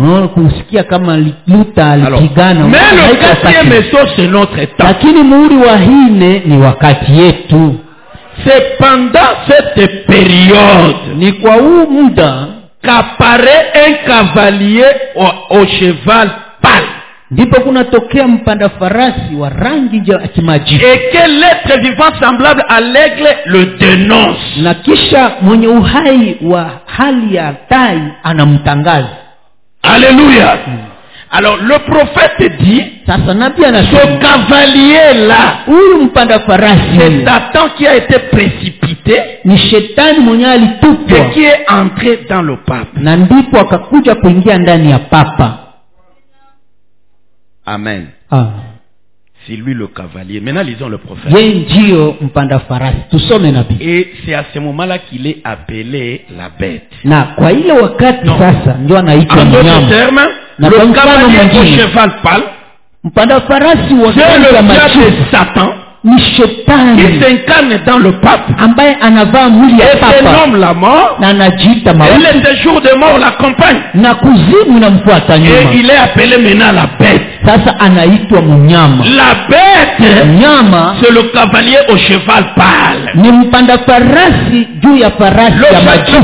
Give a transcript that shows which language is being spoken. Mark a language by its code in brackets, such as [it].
[sw] Non, kusikia kama luta alipigana. [fr] Mais le quatrième sceau, c'est notre temps. [sw] Lakini muhuri wa nne ni wakati yetu. [fr] C'est pendant cette période qu'apparaît un cavalier au cheval pâle. [sw] Ndipo kuna tokea mpanda farasi wa rangi ya kimajifu. [fr] Et que l'être vivant semblable à l'aigle le dénonce. [sw] Na kisha mwenye uhai wa hali ya tai anamtangaza. [fr] Alléluia. Alors le prophète dit, [sw] sasa nabii anasema, [fr] ce cavalier là, [sw] huyu mpanda farasi, [fr] c'est Satan qui a été précipité, [sw] ni shetani mwenye alitupwa, [fr] et qui est entré dans le pape, [sw] na ndipo akakuja kuingia ndani ya papa. Amen. Ah. [fr] C'est lui le cavalier. Maintenant lisons le prophète. [sw] Yeye ndio mpanda farasi. Tusome nabii. [fr] Et c'est à ce moment-là qu'il est appelé la bête. [sw] Na kwa ile wakati non. Sasa ndio anaitwa mnyama. [fr] Le cavalier du cheval pâle, [sw] mpanda farasi wa [fr] Satan, [sw] ni shetani, [fr] qui s'incarne dans le pape, [sw] ambaye anavaa mwili ya papa, [fr] et nomme la mort, [sw] na anajiita mauti, [fr] et le séjour de mort l'accompagne, [sw] na kuzimu inamfuata nyuma, [fr] et il est appelé maintenant la bête. [sw] Sasa anaitwa mnyama. [fr] La bête, [sw] mnyama, [fr] c'est le cavalier au cheval pâle. [sw] Ni mpanda farasi juu ya farasi ya majifu.